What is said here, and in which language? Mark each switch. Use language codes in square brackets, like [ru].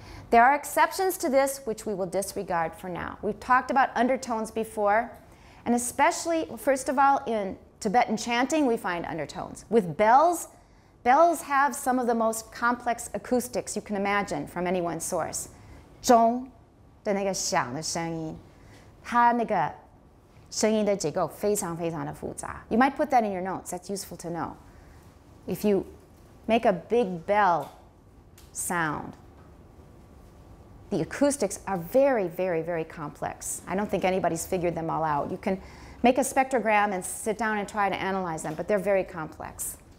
[en] There are exceptions to this, which we will disregard for now. We've talked about undertones before, and especially, first of all, in Tibetan chanting, we find undertones. With bells, bells have some of the most complex acoustics you can imagine from any one source. [zh] 钟的那个响的声音, 它那个声音的结构非常非常的复杂. [en] You might put that in your notes, that's useful to know. If you make a big bell sound, the acoustics are very, very, very complex. I don't think anybody's figured them all out. You can make a spectrogram and sit down and try to analyze them, but they're very complex.